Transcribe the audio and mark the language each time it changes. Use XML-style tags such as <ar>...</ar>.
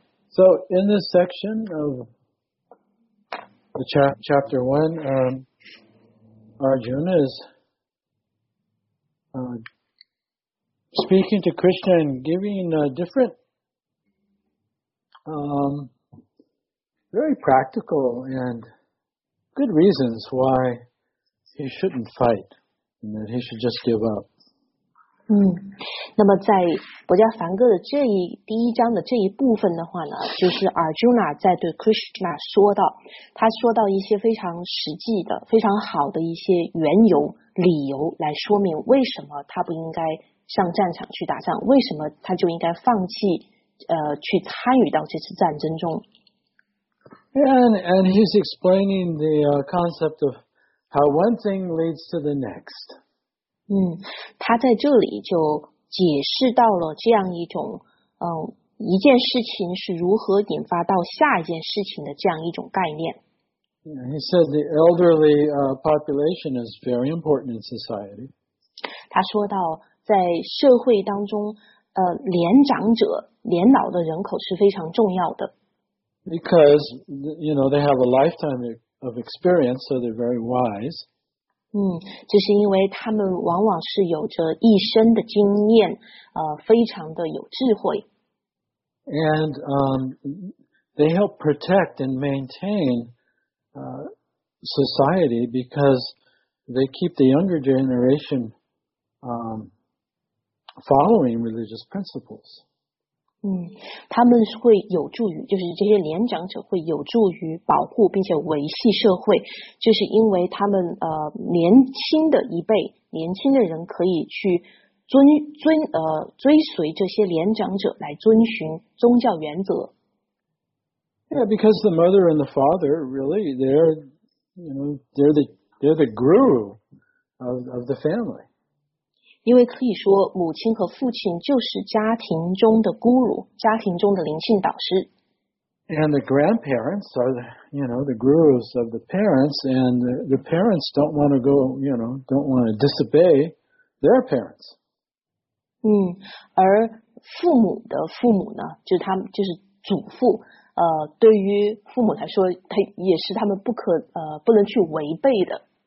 <en>So in this section of the chapter 1, Arjuna is speaking to Krishna and giving different very practical and good reasons why he shouldn't fight and that he should just give up.</en> <zh>那么在《伯加梵歌》的这一第一章的这一部分的话呢，就是 Arjuna 在对 Krishna 说到，他说到一些非常实际的、非常好的一些缘由、理由，来说明为什么他不应该上战场去打仗，为什么他就应该放弃去参与到这次战争中。</zh> <en>And he's explaining the concept of how one thing leads to the next.</en> <zh>他在这里就解释到了这样一种一件事情是如何引发到下一件事情的这样一种概念。</zh> <en>He said the elderly population is very important in society.</en> <zh>他说到在社会当中年长者年老的人口是非常重要的。</zh> <en>Because, you know, they have a lifetime of experience, so they're very wise.</en> <zh>这是因为他们往往是有着一生的经验非常的有智慧。</zh> <en>And, they help protect and maintain, society because they keep the younger generation, following religious principles.</en> <zh>他们会有助于，就是这些年长者会有助于保护并且维系社会，就是因为他们年轻的一辈，年轻的人可以去追随这些年长者来遵循宗教原则。</zh> <en>Yeah, because the mother and the father really they're the guru of the family.</en> <zh>因为可以说母亲和父亲就是家庭中的孤乳家庭中的灵性导师。</zh> <en>And the grandparents are the, you know, the gurus of the parents, and the parents don't want to go, you know, don't want to disobey their parents.</en> <zh>而父母的父母呢就是他们就是祖父对于父母来说他也是他们不能去违背的。</zh>